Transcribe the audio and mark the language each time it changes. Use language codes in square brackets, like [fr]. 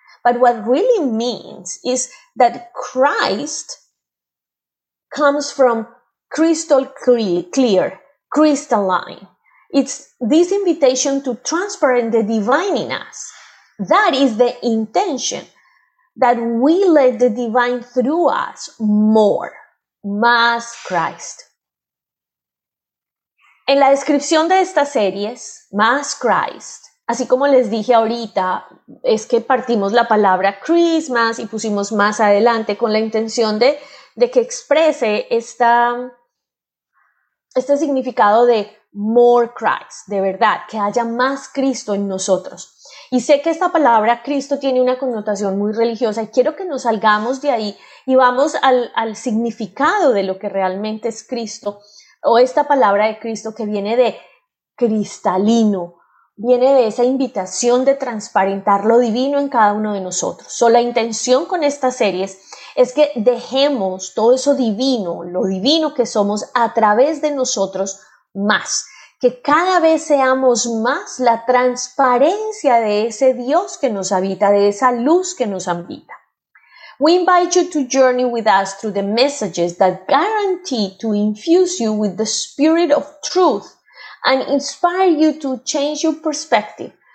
[en] But what really means is that Christ comes from crystal clear, crystalline. It's this invitation to transparent the divine in us. That is the intention, that we let the divine through us more. Mass Christ. [es] En la descripción de estas series, Mass Christ, así como les dije ahorita, es que partimos la palabra Christmas y pusimos más adelante con la intención de que exprese este significado de [en] more Christ, [es] de verdad, que haya más Cristo en nosotros. Y sé que esta palabra Cristo tiene una connotación muy religiosa y quiero que nos salgamos de ahí y vamos al significado de lo que realmente es Cristo, o esta palabra de Cristo que viene de cristalino, viene de esa invitación de transparentar lo divino en cada uno de nosotros. So, la intención con estas series es que dejemos todo eso divino, lo divino que somos, a través de nosotros más. Que cada vez seamos más la transparencia de ese Dios que nos habita, de esa luz que nos habita. [en] We invite you to journey with us through the messages that guarantee to infuse you with the spirit of truth and inspire you to change your perspective,